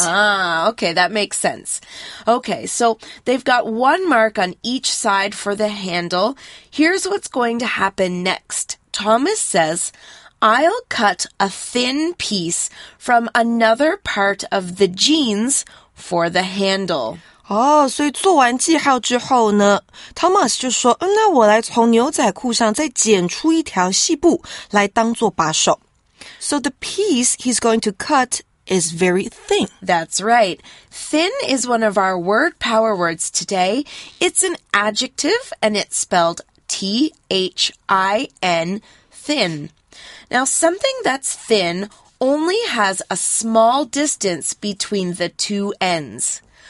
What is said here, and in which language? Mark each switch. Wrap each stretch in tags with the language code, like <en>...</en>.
<en>Ah, okay, that makes sense. Okay, so they've got one mark on each side for the handle. Here's what's going to happen next. Thomas says, I'll cut a thin piece from another part of the jeans for the handle.</en> <zh>哦、oh, 所以做完记号之后呢 Thomas 就说嗯，那我来从牛仔裤上再剪出一条细布来当作把手。</zh> <en>So the piece he's going to cut is very thin. That's right. Thin is one of our word power words today. It's an adjective and it's spelled T-H-I-N, thin. Now something that's thin only has a small distance between the two ends.</en>